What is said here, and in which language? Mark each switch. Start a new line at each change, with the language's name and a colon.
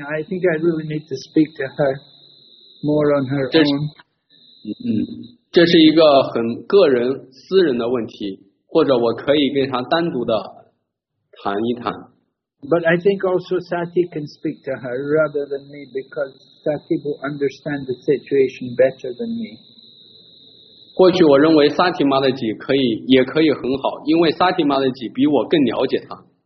English: I think I really need to speak to her more on her own.
Chinese: 这是一个很个人私人的问题，或者我可以跟她单独的谈一谈。
English: But I think also Sati can speak to her rather than me, because Sati will understand the situation better than me.
Chinese: 或许我认为 Sati Mataji 也可以很好，因为 Sati Mataji 比我更了解她。